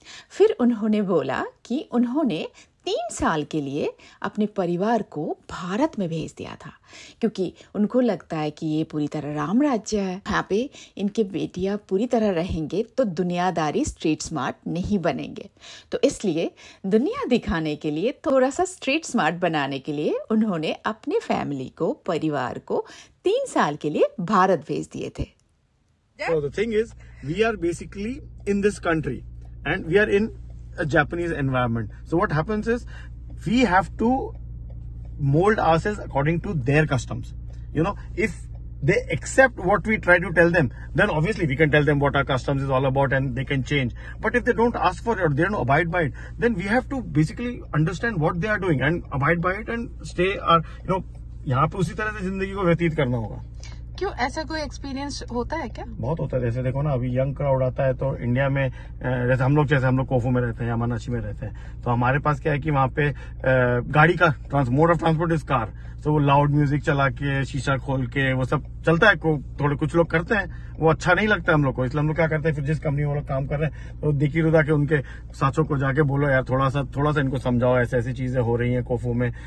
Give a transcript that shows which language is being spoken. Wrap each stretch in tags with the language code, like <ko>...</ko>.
<hi>फिर उन्होंने बोला कि उन्होंने 3 साल के लिए अपने परिवार को भारत में भेज दिया था क्योंकि उनको लगता है कि ये पूरी तरह राम राज्य है, यहाँ पे इनके बेटियाँ पूरी तरह रहेंगे तो दुनियादारी स्ट्रीट स्मार्ट नहीं बनेंगे, तो इसलिए दुनिया दिखाने के लिए, थोड़ा सा स्ट्रीट स्मार्ट बनाने के लिए उन्होंने अपने फैमिली को, परिवार को 3 साल के लिए भारत भेज दिए थे।</hi> <en>So the thing is, we are basically in this country and we are in a Japanese environment. So what happens is, we have to mold ourselves according to their customs. You know, if they accept what we try to tell them, then obviously we can tell them what our customs is all about and they can change. But if they don't ask for it or they don't abide by it, then we have to basically understand what they are doing and abide by it and stay our, you know,</en> <hi>यहाँ पे उसी तरह से जिंदगी को व्यतीत करना होगा। क्यों, ऐसा कोई एक्सपीरियंस होता है क्या? बहुत होता है, जैसे देखो ना अभी यंग क्राउड आता है तो इंडिया में, जैसे हम लोग, जैसे हम लोग कोफू में रहते हैं, यामानाशी में रहते हैं, तो हमारे पास क्या है कि वहाँ पे गाड़ी का</hi> <en>mode of transport is car,</en> <hi>तो वो लाउड म्यूजिक चला के, शीशा खोल के, वो सब चलता है, थोड़े कुछ लोग करते हैं, वो अच्छा नहीं लगता हम लोग को, इसलिए हम लोग क्या करते हैं फिर जिस कंपनी में वो लोग काम कर रहे हैं तो दिखी रुदा के उनके साथों को जाके बोलो यार थोड़ा सा इनको समझाओ, ऐसी ऐसी चीजें हो रही हैं कोफू में।</hi>